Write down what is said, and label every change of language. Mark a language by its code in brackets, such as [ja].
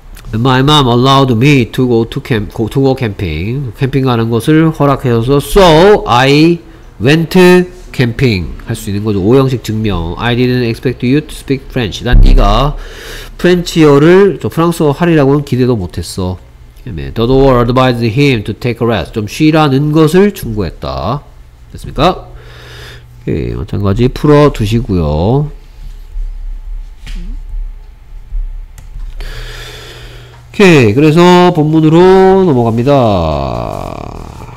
[en] 'And my mom allowed me to go to camp, to go camping. [ko] 캠핑 가는 것을 허락해줘서 [en] so I went camping [ko] 할 수 있는 거죠. 5형식 증명. [en] I didn't expect you to speak French. [ko] 난 네가 프렌치어를 저 프랑스어 하리라고는 기대도 못했어. [en] The door advised him to take a rest. [ko] 좀 쉬라는 것을 충고했다. 됐습니까? 오케이, 마찬가지 풀어두시고요. 오케이, 그래서 본문으로 넘어갑니다.